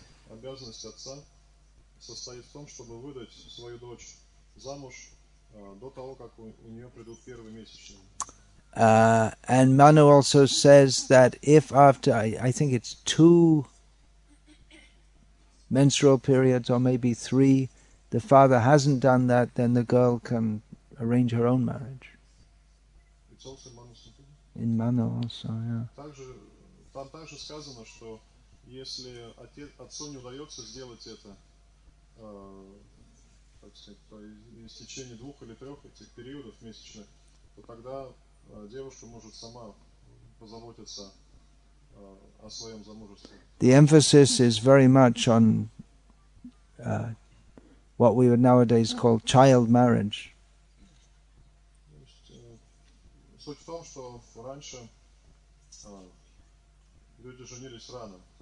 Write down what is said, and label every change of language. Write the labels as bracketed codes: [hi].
[ru] Обязанность отца состоит в том, чтобы выдать свою дочь замуж до того, как у нее придут первые месячные. [en] And Manu also says that if after, I think it's two menstrual periods or maybe three, the father hasn't done that, then the girl can arrange her own marriage. It's also Manu. In Manu also, yeah. [ru] Там также сказано, что если отцу не удается сделать это, так сказать, в течение двух или трех этих периодов месячных, то тогда девушка может сама позаботиться о своем замужестве. [en] The emphasis is very much on what we would nowadays call child marriage. [ru] Суть в том, что раньше люди женились рано.